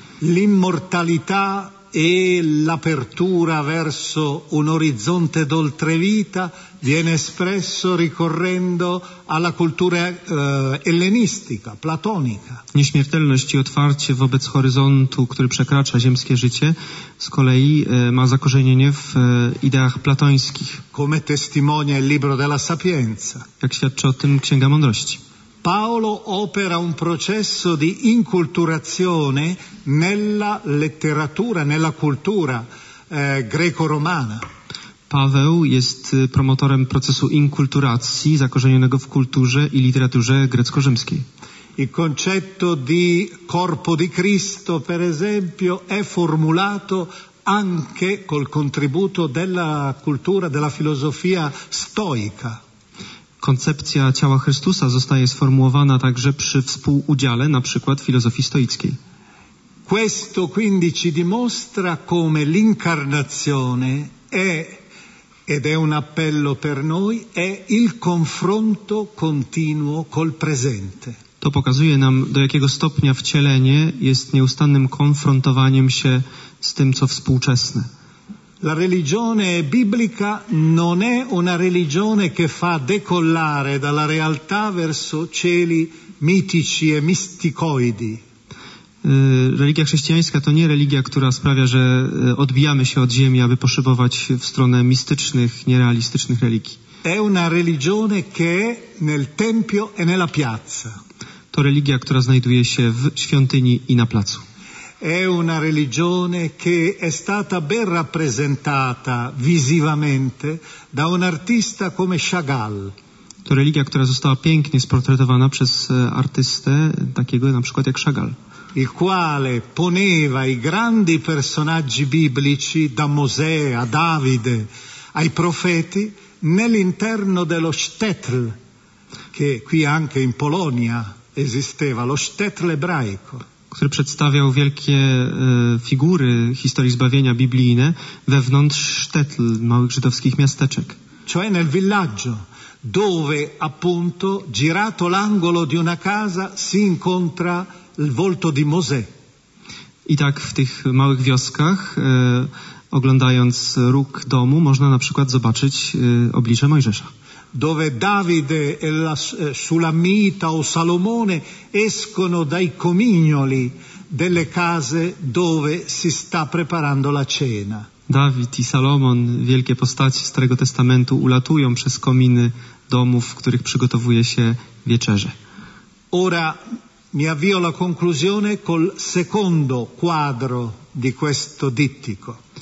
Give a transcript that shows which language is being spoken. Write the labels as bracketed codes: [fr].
[it] L'immortalità e l'apertura verso un orizzonte d'oltrevita viene espresso ricorrendo alla cultura ellenistica, platonica. [pl] Nieśmiertelność i otwarcie wobec horyzontu, który przekracza ziemskie życie, z kolei ma zakorzenienie w ideach platońskich. [it] Come testimonia il libro della sapienza. [pl] Jak świadczy o tym Księga Mądrości. [it] Paolo opera un processo di inculturazione nella letteratura, nella cultura greco-romana. [pl] Paweł jest promotorem procesu inkulturacji zakorzenionego w kulturze i literaturze grecko-rzymskiej. [it] Il concetto di corpo di Cristo, per esempio, è formulato anche col contributo della cultura, della filosofia stoica. [pl] Koncepcja ciała Chrystusa zostaje sformułowana także przy współudziale na przykład filozofii stoickiej. [it] Questo quindi ci dimostra come l'incarnazione è, ed è un appello per noi, è il confronto continuo col presente. [pl] To pokazuje nam, do jakiego stopnia wcielenie jest nieustannym konfrontowaniem się z tym, co współczesne. [it] La religione biblica non è una religione che fa decollare dalla realtà verso cieli mitici e misticoidi. [pl] Religia chrześcijańska to nie religia, która sprawia, że odbijamy się od ziemi, aby poszybować w stronę mistycznych, nierealistycznych religii. [it] È una religione che è nel tempio e nella piazza. [pl] To religia, która znajduje się w świątyni i na placu. [it] È una religione che è stata ben rappresentata visivamente da un artista come Chagall. [pl] To religia, która została pięknie sportretowana przez artystę takiego na przykład jak Chagall. [it] Il quale poneva i grandi personaggi biblici, da Mosè a Davide ai profeti, nell'interno dello shtetl, che qui anche in Polonia esisteva, lo shtetl ebraico. [pl] Który przedstawiał wielkie figury historii zbawienia biblijne wewnątrz sztetl, małych żydowskich miasteczek. [it] Cioè nel villaggio, dove appunto, girato l'angolo di una casa, si incontra il volto di Mosè. [pl] I tak w tych małych wioskach, oglądając róg domu, można na przykład zobaczyć oblicze Mojżesza. [it] Dove Davide e la Sulamita o Salomone escono dai comignoli delle case dove si sta preparando la cena. [pl] Dawid i Salomon, wielkie postaci Starego Testamentu, ulatują przez kominy domów, w których przygotowuje się wieczerze. [it] Ora mi avvio alla conclusione col secondo quadro di questo dittico.